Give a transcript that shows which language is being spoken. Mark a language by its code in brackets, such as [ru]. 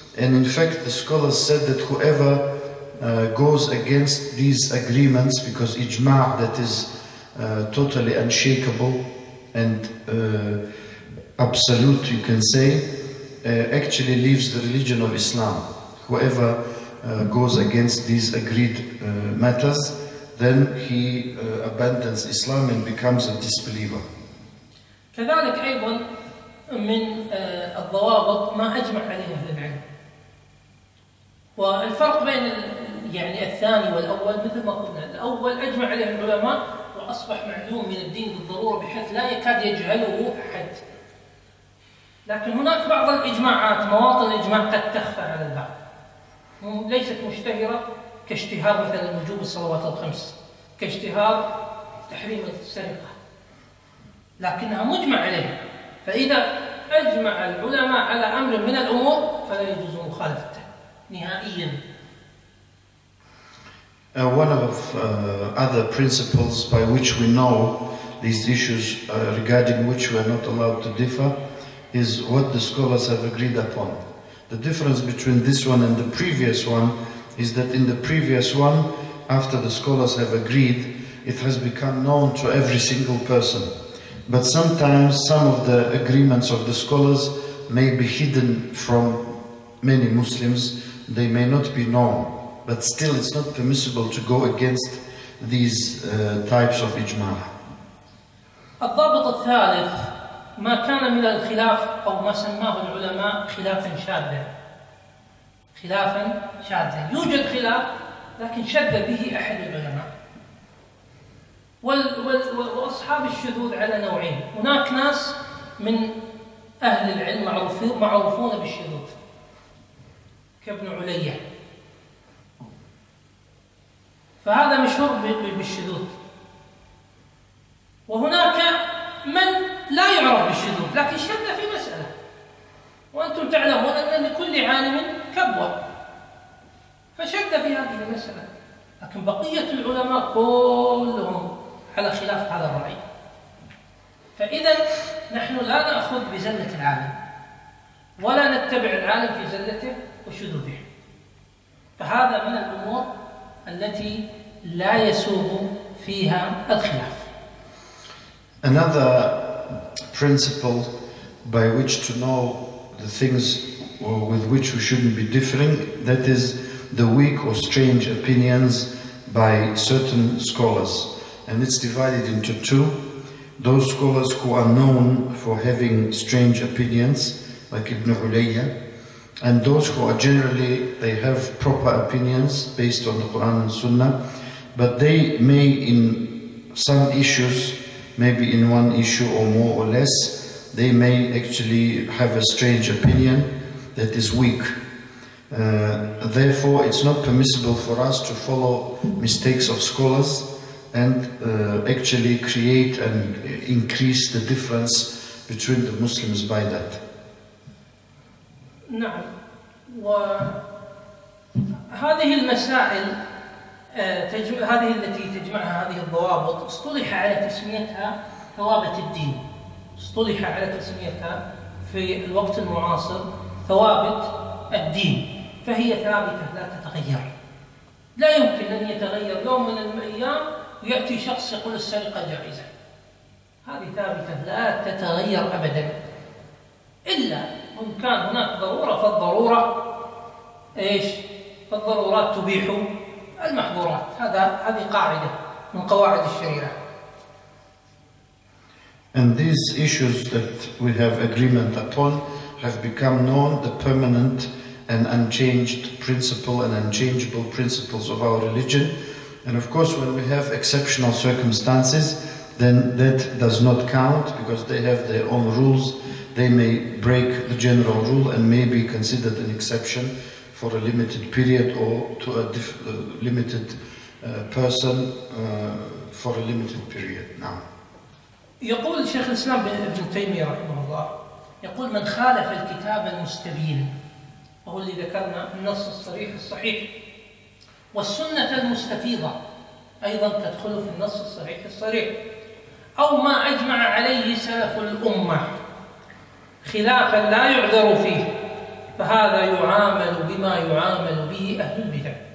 [en] And in fact, the scholars said that whoever goes against these agreements, because ijma', that is totally unshakable and absolute, you can say, actually leaves the religion of Islam. Whoever goes against these agreed matters, then he abandons Islam and becomes a disbeliever. [ar] كذلك أيضا من الضوابط ما أجمع عليه أهل العلم، والفرق بين يعني الثاني والأول مثل ما قلنا، الأول أجمع عليه العلماء وأصبح معلوم من الدين بالضرورة بحيث لا يكاد يجهله أحد، لكن هناك بعض الإجماعات، مواطن الإجماع قد تخفى على البعض، ليست مشتهرة كاجتهاد مثلا وجوب الصلوات الخمس، كاجتهاد تحريم السرقة، لكنها مجمع عليها. فإذا أجمع العلماء على أمر من الأمور فلا يجوز مخالفته نهائيا. [en] One of other principles by which we know these issues regarding which we are not allowed to differ is what the scholars have agreed upon. The difference between this one and the previous one is that in the previous one, after the scholars have agreed, it has become known to every single person. But sometimes some of the agreements of the scholars may be hidden from many Muslims, they may not be known. But still, it's not permissible to go against these types of ijma'. [ar] الضابط الثالث، ما كان من الخلاف أو ما سماه العلماء خلافا شاذا. خلافا شاذا، يوجد خلاف لكن شذ به أحد العلماء. وأصحاب الشذوذ على نوعين، هناك ناس من أهل العلم معروفون بالشذوذ كابن عليا، فهذا مشهور بالشذوذ، وهناك من لا يعرف بالشذوذ لكن شذ في مسألة، وأنتم تعلمون أن لكل عالم كبوة، فشذ في هذه المسألة، لكن بقية العلماء كلهم على خلاف هذا الرأي. فإذا نحن لا نأخذ بزلة العالم ولا نتبع العالم في زلته وشذوذه، فهذا من الأمور التي لا يسوغ فيها الخلاف. [en] Another principle by which to know the things with which we shouldn't be differing, that is the weak or strange opinions by certain scholars. And it's divided into two. Those scholars who are known for having strange opinions, like Ibn Ulayya, and those who are generally, they have proper opinions based on the Quran and Sunnah, but they may in some issues, maybe in one issue or more or less, they may actually have a strange opinion that is weak. Therefore, it's not permissible for us to follow mistakes of scholars and actually create and increase the difference between the Muslims by that. [ar] نعم، وهذه المسائل هذه التي تجمعها هذه الضوابط اصطلح على تسميتها ثوابت الدين، اصطلح على تسميتها في الوقت المعاصر ثوابت الدين، فهي ثابتة لا تتغير، لا يمكن أن يتغير يوم من الأيام ويأتي شخص يقول السرقة جائزة، هذه ثابتة لا تتغير أبدا، إلا ما إن كان هناك ضرورة فالضرورة إيش؟ فالضرورات تبيح المحظورات. هذه قاعدة من قواعد الشريعة. [en] And these issues that we have agreement upon have become known, the permanent and unchanged principle and unchangeable principles of our religion. And of course, when we have exceptional circumstances, then that does not count because they have their own rules. They may break the general rule and may be considered an exception for a limited period or to a limited person for a limited period now. [ar] يقول شيخ الإسلام ابن تيمية رحمه الله يقول من خالف الكتاب المستبين وهو اللي ذكرنا النص الصريح الصحيح والسنة المستفيضة أيضا تدخل في النص الصريح الصريح أو ما أجمع عليه سلف الأمة خلافا لا يعذر فيه فهذا يعامل بما يعامل به أهل البدع